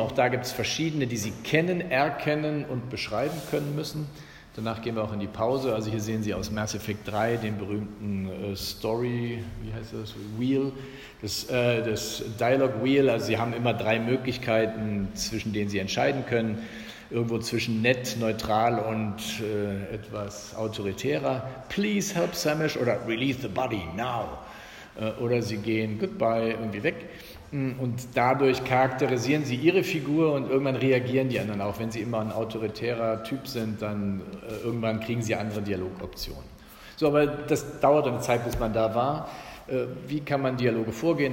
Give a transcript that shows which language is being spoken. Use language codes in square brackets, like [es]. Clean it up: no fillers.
[de] Auch da gibt es verschiedene, die Sie kennen, erkennen und beschreiben können müssen. Danach gehen wir auch in die Pause. Also hier sehen Sie aus Mass Effect 3 den berühmten Story, wie heißt das, Wheel, das Dialog Wheel. Also Sie haben immer drei Möglichkeiten, zwischen denen Sie entscheiden können. Irgendwo zwischen nett, neutral und etwas autoritärer. [en] Please help Samish oder release the body now. [de] Oder Sie gehen goodbye irgendwie weg. Und dadurch charakterisieren sie ihre Figur und irgendwann reagieren die anderen auch. Wenn sie immer ein autoritärer Typ sind, dann irgendwann kriegen sie andere Dialogoptionen. So, aber das dauert eine Zeit, bis man da war. Wie kann man Dialoge vorgehen?